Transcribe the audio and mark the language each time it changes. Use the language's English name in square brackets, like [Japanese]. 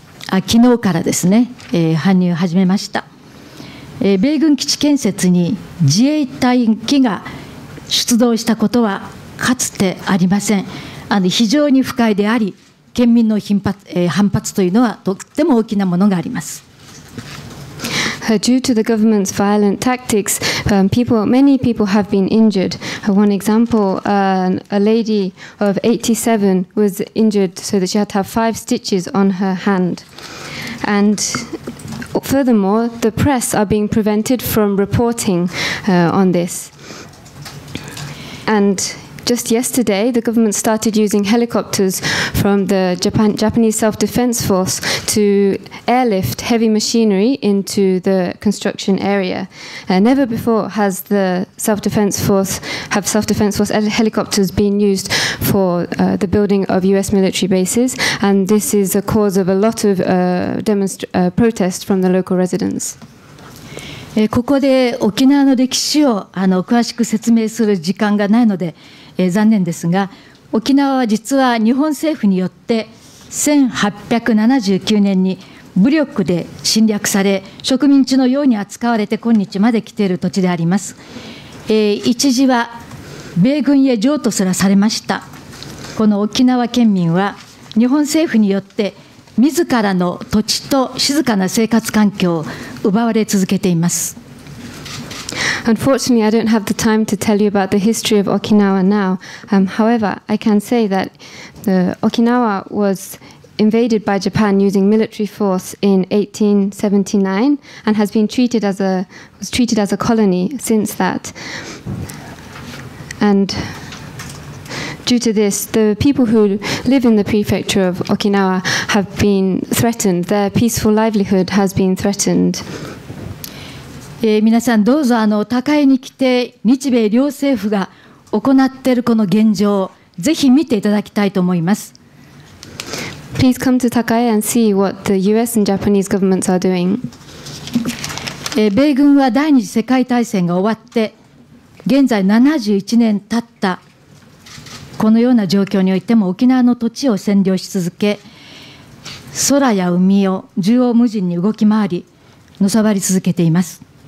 [Japanese] 昨日からですね、搬入始めました。米軍基地建設に自衛隊機が出動したことはかつてありません。非常に不快であり、県民の反発というのはとっても大きなものがあります。 [English] Due to the government's violent tactics, many people have been injured. One example, a lady of 87 was injured so that she had to have 5 stitches on her hand. And furthermore, the press are being prevented from reporting on this. And just yesterday, the government started using helicopters from the Japanese Self-Defense Force to airlift heavy machinery into the construction area. Never before has the Self-Defense Force helicopters been used for the building of U.S. military bases, and this is a cause of a lot of protest from the local residents. [Japanese] ここで沖縄の歴史を詳しく説明する時間がないので残念ですが、沖縄は実は日本政府によって1879年に武力で侵略され、植民地のように扱われて今日まで来ている土地であります。一時は米軍へ譲渡すらされました。この沖縄県民は日本政府によって自らの土地と静かな生活環境を奪われ続けています。 [English] Unfortunately, I don't have the time to tell you about the history of Okinawa now. However, I can say that Okinawa was invaded by Japan using military force in 1879 and has been treated as a colony since that. And due to this, the people who live in the prefecture of Okinawa have been threatened. Their peaceful livelihood has been threatened. [Japanese] 皆さんどうぞ高井に来て、日米両政府が行っているこの現状をぜひ見ていただきたいと思います。 [English] Please come to Takae and see what the US and Japanese governments are doing. [Japanese] 米軍は第二次世界大戦が終わって現在71年経ったこのような状況においても、沖縄の土地を占領し続け、空や海を縦横無尽に動き回りのさばり続けています。